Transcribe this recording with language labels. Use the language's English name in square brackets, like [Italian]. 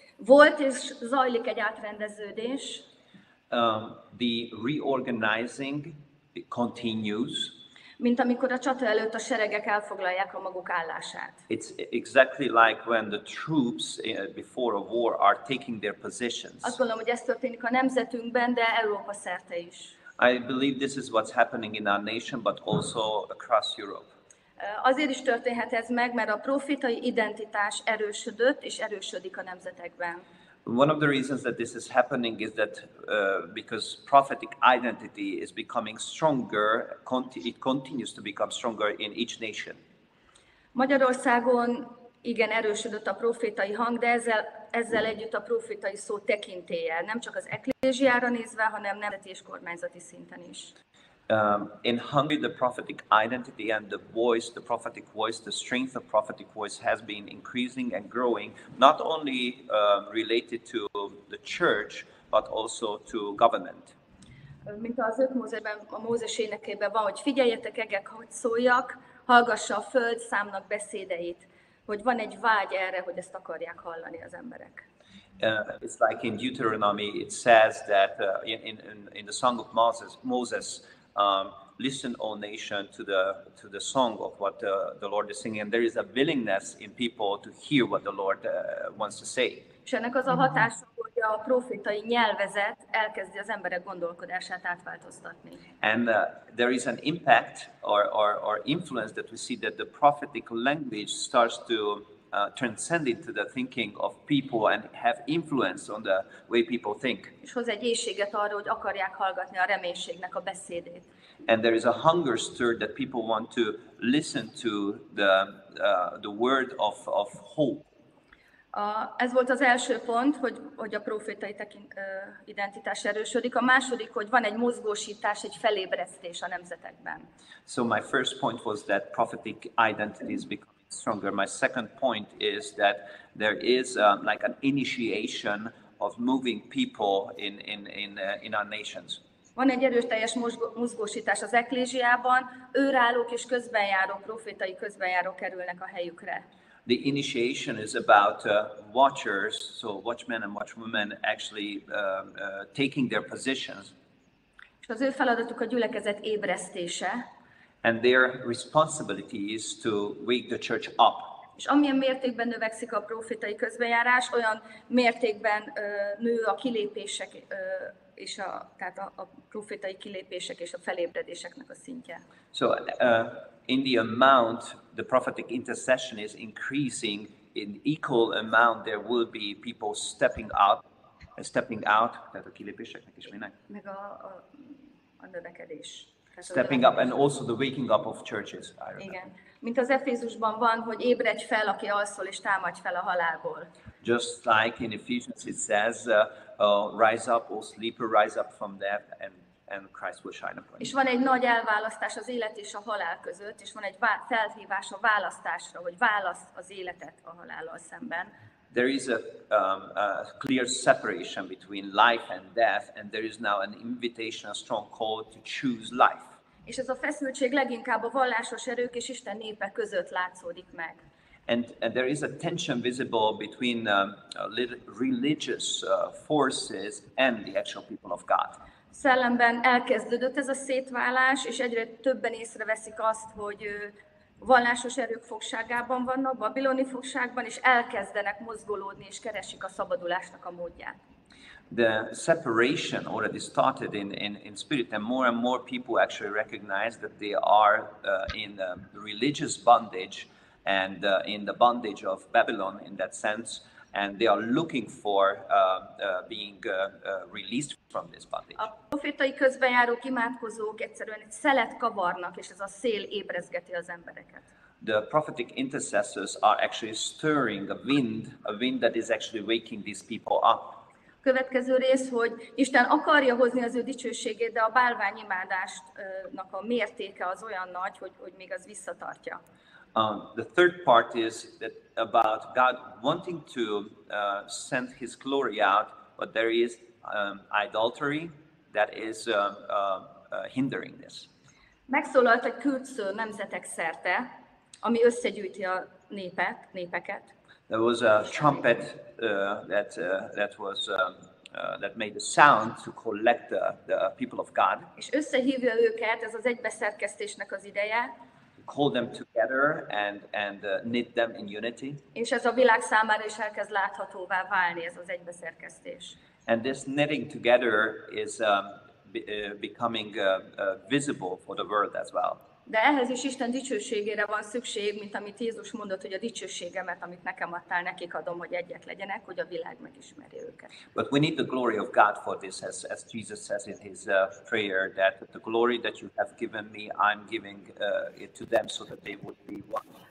[Hungarian] Volt és zajlik egy átrendeződés. [English] The reorganizing continues. [Hungarian] Mint amikor a csata előtt a seregek elfoglalják a maguk állását. [English] It's exactly like when the troops before a war are taking their positions. [Hungarian] Azt gondolom, hogy ez történik a nemzetünkben, de Európa szerte is. [English] I believe this is what's happening in our nation, but also across Europe. [Hungarian] Azért is történhet ez meg, mert a prófétai identitás erősödött és erősödik a nemzetekben. [English] One of the reasons that this is happening is that because prophetic identity is becoming stronger, it continues to become stronger in each nation. [Hungarian] Magyarországon igen erősödött a prófétai hang, de ezzel együtt a prófétai szó tekintélye, nem csak az eklézsiára nézve, hanem nemzeti és kormányzati szinten is. [English] In Hungary, the prophetic identity and the voice, the prophetic voice, the strength of prophetic voice has been increasing and growing, not only related to the church, but also to government. [Hungarian] Mint az öt Mózesben, a Mózes énekében van, hogy figyeljetek egek, hogy szóljak, hallgassa a föld számnak beszédeit, hogy van egy vágy erre, hogy ezt akarják hallani az emberek. [English] It's like in Deuteronomy, it says that in the song of Moses, listen, O nation, to the song of what the Lord is singing. And there is a willingness in people to hear what the Lord wants to say. [Hungarian] És ennek az a hatása, hogy a profétai nyelvezet elkezdi az emberek gondolkodását átváltoztatni. [English] And there is an impact or influence that we see that the prophetic language starts to transcend into the thinking of people and have influence on the way people think. [Hungarian] És hoz egy éjséget arra, hogy akarják hallgatni a reménységnek a beszédét. [English] And there is a hunger stirred that people want to listen to the word of hope. [Hungarian] Ez volt az első pont, hogy a prófétai identitás erősödik. A második, hogy van egy mozgósítás, egy felébresztés a nemzetekben. [English] So my first point was that prophetic identity is becoming stronger. My second point is that there is like an initiation of moving people in our nations. [Hungarian] Van egy erőteljes mozgósítás az eklézsiában, őrállók és közbenjárók, prófétai közbenjárók kerülnek a helyükre. [English] The initiation is about watchers, so watchmen and watchwomen actually taking their positions. [Hungarian] És az ő feladatuk a gyülekezet ébresztése. [English] And their responsibility is to wake the church up. [Hungarian] És amilyen mértékben növekszik a prófétai közbenjárás, olyan mértékben nő a kilépések és a prófétai kilépések és a felébredéseknek a szintje. [English] So in the amount the prophetic intercession is increasing, in equal amount there will be people stepping out, [Hungarian] tehát a kilépéseknek is minek? Meg a növekedés. [English] Stepping up and also the waking up of churches. [Hungarian] Igen. Mint az Efézusban van, hogy ébredj fel, aki alszol, és támadj fel a halálból. [English] Just like in Ephesians it says, rise up, O sleeper, rise up from death, and Christ will shine upon you. [Hungarian] És van egy nagy elválasztás az élet és a halál között, és van egy felhívás a választásra, hogy válasz az életet a halállal szemben. [English] There is a clear separation between life and death, and there is now an invitation, a strong call to choose life. [Hungarian] És ez a feszültség leginkább a vallásos erők és Isten népe között látszódik meg. [English] And there is a tension visible between religious forces and the actual people of God. [Hungarian] Szellemben elkezdődött ez a szétválás, és egyre többen észreveszik azt, hogy vallásos erők fogságában vannak, babiloni fogságban, és elkezdenek mozgolódni, és keresik a szabadulásnak a módját. [English] The separation already started in spirit, and more people actually recognize that they are in the religious bondage and in the bondage of Babylon in that sense, and they are looking for being released from this bondage. [Hungarian] A profétai közbenjárók, imádkozók egyszerűen egy szelet kavarnak, és ez a szél ébrezgeti az embereket. [English] The prophetic intercessors are actually stirring a wind that is actually waking these people up. [Hungarian] Következő rész, hogy Isten akarja hozni az ő dicsőségét, de a bálványimádásnak a mértéke az olyan nagy, hogy még az visszatartja. [English] The third part is that about God wanting to send his glory out, but there is idolatry that is hindering this. [Hungarian] Megszólalt egy kürtsző nemzetek szerte, ami összegyűjti a népeket. [English] There was a trumpet that made a sound to collect the people of God. [Hungarian] És összehívja őket, ez az egybeszerkesztésnek az ideje. [English] Call them together and knit them in unity. [Hungarian] És ez a világ számára is elkezd láthatóvá válni, ez az egybeszerkesztés. [English] And this knitting together is becoming visible for the world as well. [Hungarian] De ehhez is Isten dicsőségére van szükség, mint amit Jézus mondott, hogy a dicsőségemet, amit nekem adtál, nekik adom, hogy egyet legyenek, hogy a világ megismerje őket. [English] But we need the glory of God for this, as Jesus says in his prayer, that the glory that you have given me, I'm giving it to them so that they would be one.